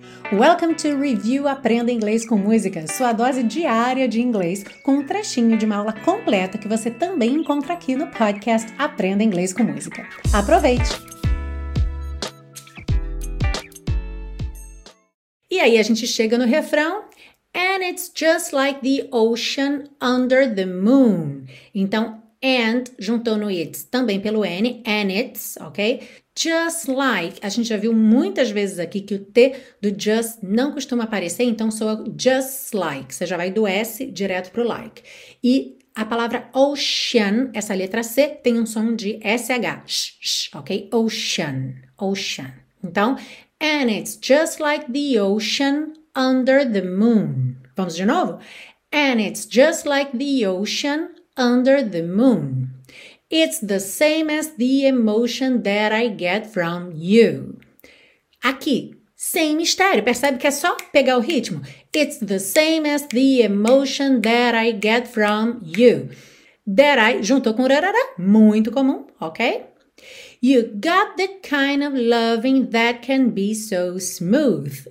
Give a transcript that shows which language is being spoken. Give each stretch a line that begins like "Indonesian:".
Portuguese: Welcome to Review Aprenda Inglês com Música, sua dose diária de inglês, com um trechinho de uma aula completa que você também encontra aqui no podcast Aprenda Inglês com Música. Aproveite! E aí a gente chega no refrão.
English: And it's just like the ocean under the moon.
Portuguese: Então, and juntou no it's, também pelo N, and it's, ok? Just like, a gente já viu muitas vezes aqui que o T do just não costuma aparecer, então soa just like, você já vai do S direto pro like. E a palavra ocean, essa letra C, tem um som de SH, sh, sh, ok?
English: Ocean, ocean.
Portuguese: Então,
English: and it's just like the ocean under the moon.
Portuguese: Vamos de novo?
English: And it's just like the ocean under the moon. It's the same as the emotion that I get from you.
Portuguese: Aqui, sem mistério, percebe que é só pegar o ritmo?
English: It's the same as the emotion that I get from you.
Portuguese: That I, juntou com rarara, muito comum, ok?
English: You got the kind of loving that can be so smooth.